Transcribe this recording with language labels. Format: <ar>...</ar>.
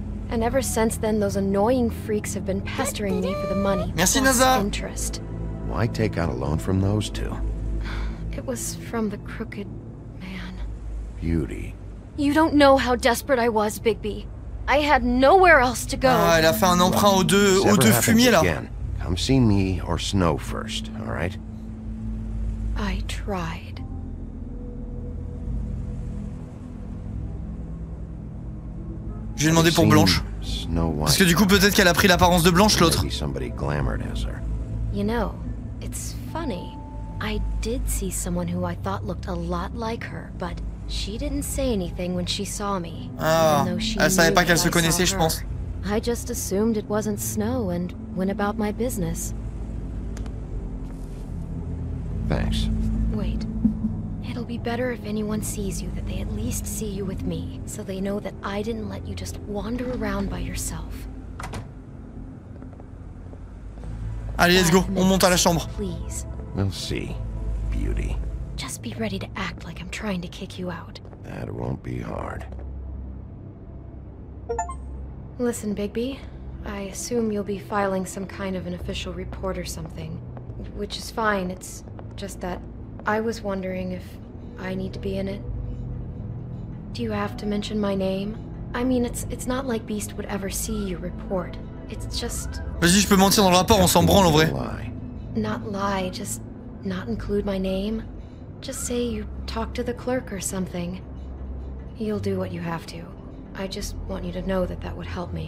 <en>And ever since then, those annoying freaks have been pestering me for the money.</en> <fr>Merci, Naza.</fr> <en>Interest. Why take out a loan from those two? It was from the crooked man. Beauty. You don't know how desperate I was, Bigby. I had nowhere else to go.</en> <fr>Ah, elle a fait un emprunt aux deux fumiers là.</fr> <en>Come see me or Snow first, all right? I tried.</en> <fr>J'ai demandé pour Blanche. Parce que du coup, peut-être qu'elle a pris l'apparence de Blanche, l'autre.</fr> <en>You know, it's funny. I did see someone who I thought looked a lot like her, but she didn't say anything when she saw me.</en> <fr>Ah, elle savait pas qu'elle se connaissait, je pense.</fr> <en>I just assumed it wasn't Snow and went about my business. Thanks. Wait. It'll be better if anyone sees you, that they at least see you with me, so they know that I didn't let you just wander around by yourself.</en> <fr>Allez,</fr> <en>let's go.</en> <fr>On monte à la chambre.</fr> <en>Please. We'll see, beauty. Just be ready to act like I'm trying to kick you out. That won't be hard. Listen, Bigby. I assume you'll be filing some kind of an official report or something. Which is fine, it's just that I was wondering if I need to be in it. Do you have to mention my name? I mean, it's not like Beast would ever see your report. It's just...</en> <fr>Vas-y, je peux mentir dans le rapport, on s'en branle en vrai.</fr> <en>Not lie, just not include my name. Just say you talked to the clerk or something. You'll do what you have to. I just want you to know that that would help me.</en>